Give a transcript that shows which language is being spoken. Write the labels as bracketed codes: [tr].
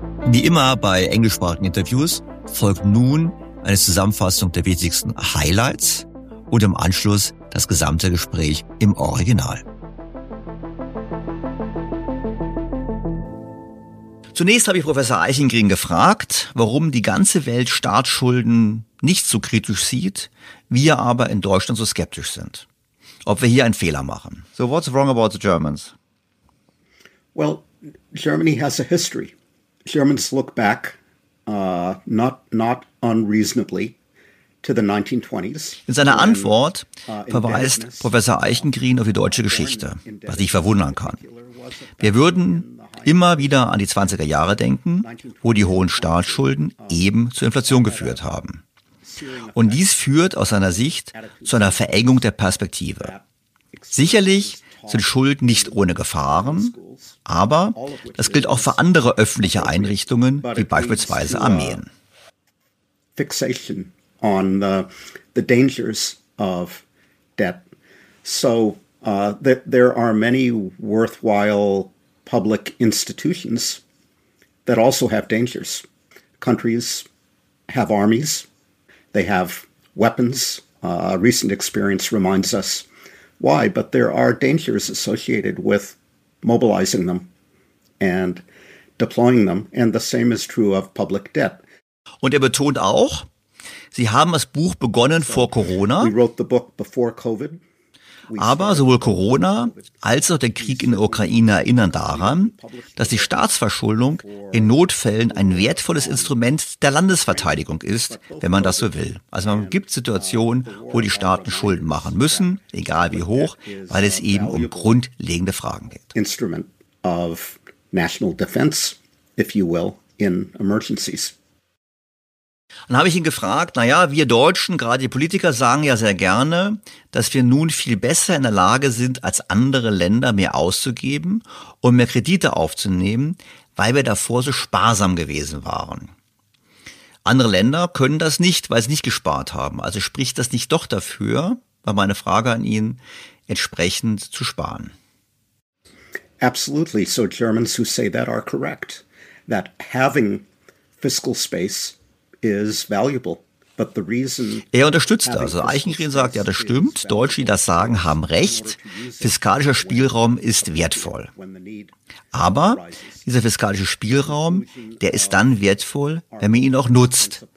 [de] Wie immer bei englischsprachigen Interviews folgt nun eine Zusammenfassung der wichtigsten Highlights und im Anschluss das gesamte Gespräch im Original. Zunächst habe ich Professor Eichengreen gefragt, warum die ganze Welt Staatsschulden nicht so kritisch sieht, wir aber in Deutschland so skeptisch sind. Ob wir hier einen Fehler machen. [en] So, what's wrong about the Germans? Well, Germany has a history. Germans look back, not unreasonably, to the 1920s. [de] In seiner Antwort verweist Professor Eichengreen auf die deutsche Geschichte, was ich verwundern kann. Wir würden immer wieder an die 20er Jahre denken, wo die hohen Staatsschulden eben zur Inflation geführt haben. Und dies führt aus seiner Sicht zu einer Verengung der Perspektive. Sicherlich sind Schulden nicht ohne Gefahren, aber das gilt auch für andere öffentliche Einrichtungen, wie beispielsweise Armeen. [en] Fixation on the dangers of debt. So there are many worthwhile public institutions that also have dangers. Countries have armies, they have weapons. Recent experience reminds us why, but there are dangers associated with mobilizing them and deploying them, and the same is true of public debt. [de] Und er betont auch, Sie haben das Buch begonnen vor Corona. [en] We wrote the book before COVID. [de] Aber sowohl Corona als auch der Krieg in der Ukraine erinnern daran, dass die Staatsverschuldung in Notfällen ein wertvolles Instrument der Landesverteidigung ist, wenn man das so will. Also man gibt Situationen, wo die Staaten Schulden machen müssen, egal wie hoch, weil es eben um grundlegende Fragen geht. [en] Instrument of national defense, if you will, in emergencies. [de] Dann habe ich ihn gefragt, naja, wir Deutschen, gerade die Politiker, sagen ja sehr gerne, dass wir nun viel besser in der Lage sind, als andere Länder mehr auszugeben und mehr Kredite aufzunehmen, weil wir davor so sparsam gewesen waren. Andere Länder können das nicht, weil sie nicht gespart haben. Also spricht das nicht doch dafür, war meine Frage an ihn, entsprechend zu sparen. [en] Absolutely. So Germans who say that are correct. That having fiscal space is valuable. But the reason [de] er unterstützt also. Eichengreen sagt, ja, das stimmt. Deutsche, die das sagen, haben recht. Fiskalischer Spielraum ist wertvoll. Aber dieser fiskalische Spielraum, der ist dann wertvoll, wenn man ihn auch nutzt.